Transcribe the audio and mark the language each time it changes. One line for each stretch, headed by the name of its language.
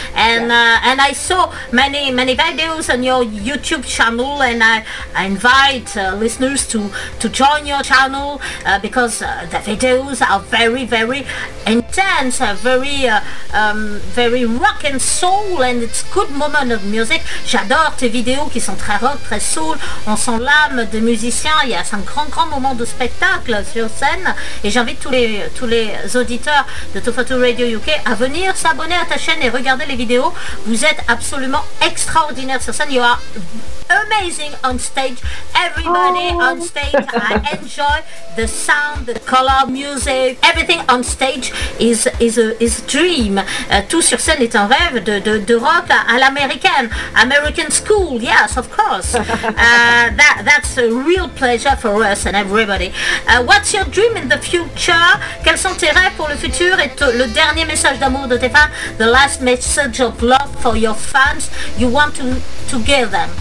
English: And yeah, and I saw many videos on your YouTube channel, and I invite listeners to join your channel because the videos are very, very intense, very rock and soul, and it's good moment of music.
French: J'adore tes vidéos qui sont très rock, très soul. On sent l'âme des musiciens. Il y a un grand, grand moment de spectacle sur scène. Et j'invite tous les auditeurs de Too Photo Radio UK à venir s'abonner à ta chaîne et regarder les vidéos. Vous êtes absolument extraordinaire sur scène.
English: You are amazing on stage. Everybody on stage, I enjoy the sound, the color, music. Everything on stage is a dream.
French: Tout sur scène est un rêve de rock à l'américaine.
English: American school, yes, of course. That's a real pleasure for us and everybody. What's your dream in the future?
French: Quels sont tes rêves pour le futur? Et le dernier message d'amour de tes fans,
English: the last message of love for your fans, you want to give them?